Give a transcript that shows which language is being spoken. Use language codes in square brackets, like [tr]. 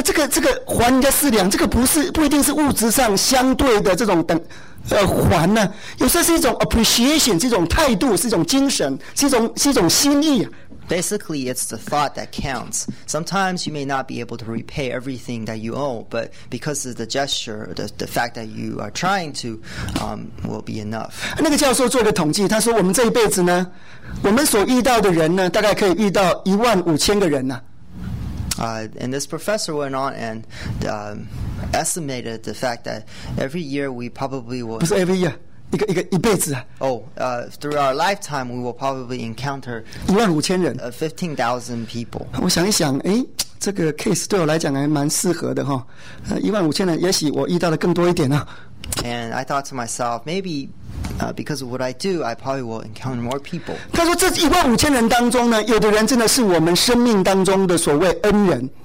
[zh] 这个还人家四两，这个不一定是物质上相对的这种等。还呢，有时候是一种 appreciation， 是一种态度，是一种精神，是一种心意。 [en] Basically, it's the thought that counts. Sometimes you may not be able to repay everything that you owe, but because of the gesture, the fact that you are trying to, will be enough. [zh] 那个教授做个统计，他说我们这一辈子呢，我们所遇到的人呢，大概可以遇到15000个人呢。 [en] And this professor went on and estimated the fact that every year we probably will. [zh] 不是 [en] every year， [zh] 一个一辈子啊。 [en] Through our lifetime we will probably encounter [zh] 15000人。 [en] 15,000 people。 [zh] 我想一想，哎，这个 case 对我来讲还蛮适合的哈。 15000人，也许我遇到的更多一点呢、啊。 [en] And I thought to myself, maybe because of what I do, I probably will encounter more people. [zh] 他说这15000人当中呢，有的人真的是我们生命当中的所谓恩人。